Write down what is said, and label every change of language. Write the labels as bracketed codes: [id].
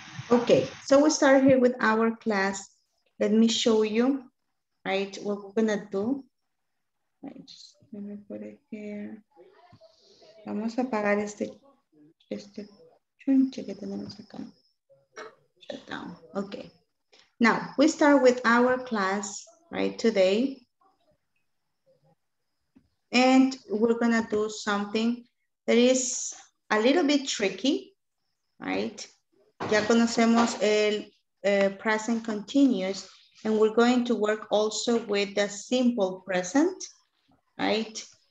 [en] Okay, so we start here with our class. Let me show you, right, what we're gonna do. Right, let me put it here. [es] Vamos a apagar este chunche que tenemos acá. [en] Shut down. Okay. Now we start with our class right today. And we're gonna do something that is a little bit tricky, right? [es] Ya conocemos el [en] present continuous, and we're going to work also with the simple present, right?